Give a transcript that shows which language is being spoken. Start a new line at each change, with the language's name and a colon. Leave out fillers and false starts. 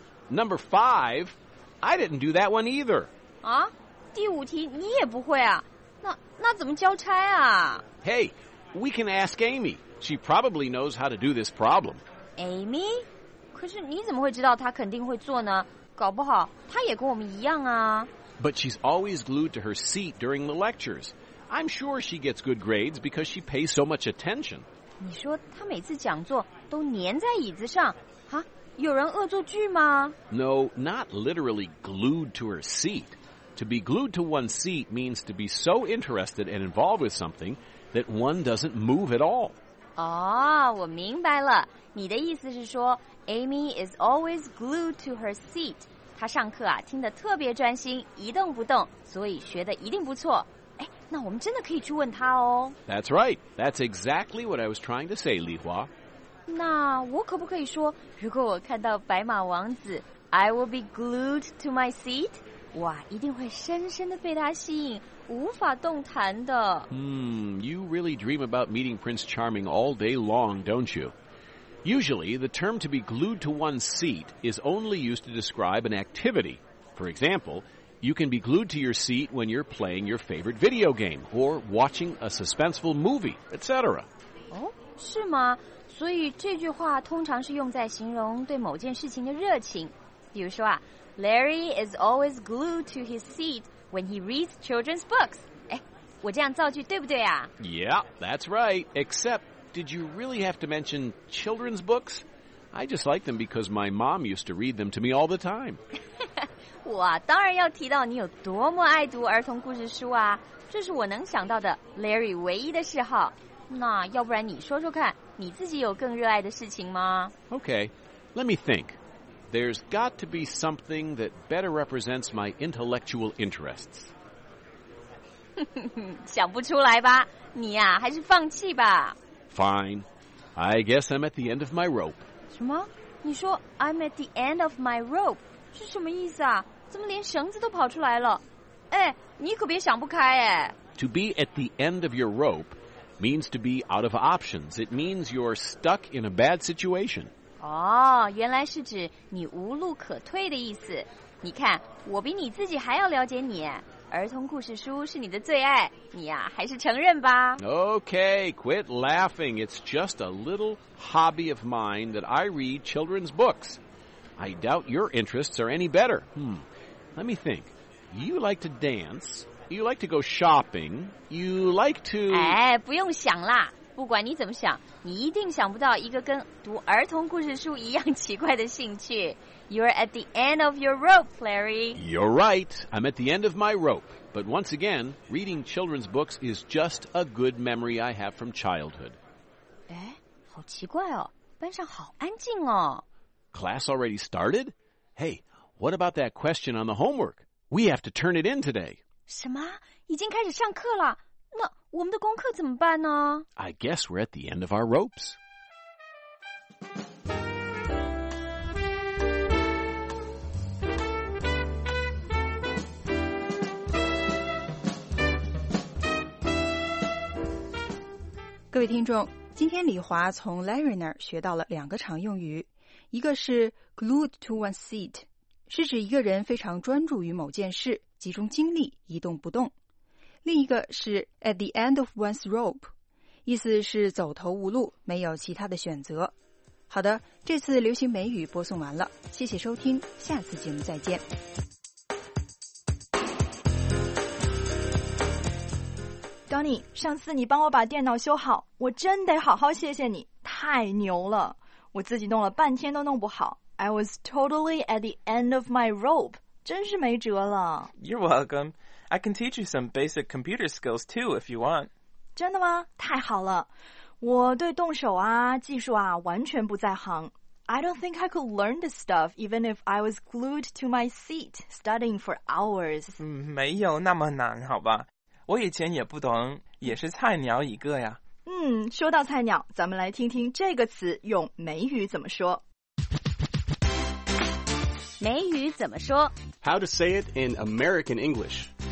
English: Number five, I didn't do that one either。
Chinese: 啊，第五题你也不会啊？那怎么交差啊？
English: Hey, we can ask AmyShe probably knows how to do this problem. Amy?
Chinese: 可是你怎么会知道她肯定会做呢？搞不好她也跟我们一样啊。
English: But she's always glued to her seat during the lectures. I'm sure she gets good grades because she pays so much attention.
Chinese: 你说她每次讲座都粘在椅子上，啊，有人恶作剧吗？
English: No, not literally glued to her seat. To be glued to one's seat means to be so interested and involved with something that one doesn't move at all.
Chinese: 哦，我明白了。你的意思是说 ，
English: Amy is always glued to her seat。
Chinese: 她上课啊，听得特别专心，一动不动，所以学得一定不错。哎，那我们真的可以去问她哦。
English: That's right. That's exactly what I was trying to say, 李华。
Chinese: 那我可不可以说，如果我看到白马王子 ，
English: I will be glued to my seat？
Chinese: 哇，一定会深深地被他吸引。无法动弹的。
English: You really dream about meeting Prince Charming all day long, don't you? Usually, the term to be glued to one's seat is only used to describe an activity. For example, you can be glued to your seat when you're playing your favorite video game or watching a suspenseful movie, etc.
Chinese: 哦，是吗？所以这句话通常是用在形容对某件事情的热情。比如说啊
English: ，Larry is always glued to his seat. When he reads children's books. 哎，
Chinese: 我这样造句对不对啊？
English: Yeah, that's right. Except, did you really have to mention children's books? I just like them because my mom used to read them to me all the time.
Chinese: 我当然要提到你有多么爱读儿童故事书啊，这是我能想到的 Larry 唯一的嗜好。那要不然你说说看，你自己有更热爱的事情吗？
English: Okay, let me think. There's got to be something that better represents my intellectual interests.
Chinese: 想不出来吧？你呀，还是放弃吧。
English: Fine, I guess I'm at the end of my rope.
Chinese: 什么？你说
English: I'm at the end of my rope
Chinese: 是什么意思啊？怎么连绳子都跑出来了？哎，你可别想不开哎。
English: To be at the end of your rope. Means to be out of options. It means you're stuck in a bad situation.
Chinese: Oh, 原来是指你无路可退的意思。你看，我比你自己还要了解你。儿童故事书是你的最爱，你呀，还是承认吧。
English: Okay, quit laughing. It's just a little hobby of mine that I read children's books. I doubt your interests are any better. Let me think. You like to dance... You like to go shopping. You like to...
Chinese: 哎，不用想啦。不管你怎么想，你一定想不到一个跟读儿童故事书一样奇怪的兴趣。
English: You're at the end of your rope, Larry. You're right. I'm at the end of my rope. But once again, reading children's books is just a good memory I have from childhood.
Chinese: 哎，好奇怪哦。班上好安静哦。
English: Class already started? Hey, what about that question on the homework? We have to turn it in today.
Chinese: 什么？已经开始上课了？那我们的功课怎么办呢？
English: I guess we're at the end of our ropes.
Chinese: 各位听众，今天李华从 Larry 那儿学到了两个常用语，一个是 glued to one's seat， 是指一个人非常专注于某件事，集中精力一动不动。另一个是 at the end of one's rope， 意思是走投无路，没有其他的选择。好的，这次流行美语播送完了，谢谢收听，下次节目再见。 Donny， 上次你帮我把电脑修好，我真得好好谢谢你，太牛了，我自己弄了半天都弄不好。
English: I was totally at the end of my rope.
Chinese: 真是没辙了。
English: You're welcome. I can teach you some basic computer skills too if you want.
Chinese: 真的吗？太好了。我对动手啊，技术啊，完全不在行。
English: I don't think I could learn this stuff even if I was glued to my seat studying for hours.
Chinese: 没有那么难，好吧。我以前也不懂，也是菜鸟一个呀。说到菜鸟，咱们来听听这个词用美语怎么说。美语怎么说？
English: How to say it in American English.